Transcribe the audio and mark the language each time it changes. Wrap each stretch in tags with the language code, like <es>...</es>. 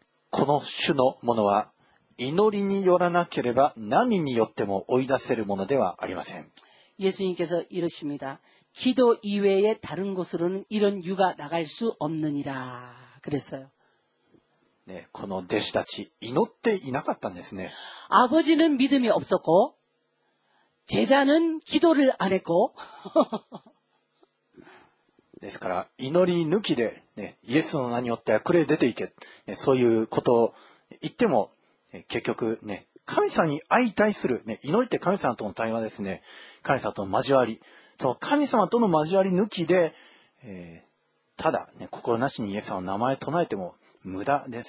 <ja>この種のものは祈りによらなければ何によっても追い出せるものではありません。</ja> <ko>イエス님께서이러십니다기도이외에다른곳으로는이런유가나갈수없느니라그랬어요</ko> <ja>네この弟子たち祈っていなかったんですね。</ja> <ko>아버지는믿음이없었고제자는기도를안했고</ko> <ja>ですから祈り抜きで、ね、イエスの名によってはこれ出ていけ、ね、そういうことを言っても結局ね、神様に相対する、ね、祈りって神様との対話ですね。神様との交わり、その神様との交わり抜きで、ただ、ね、心なしにイエス様の名前を唱えても無駄です。</ja>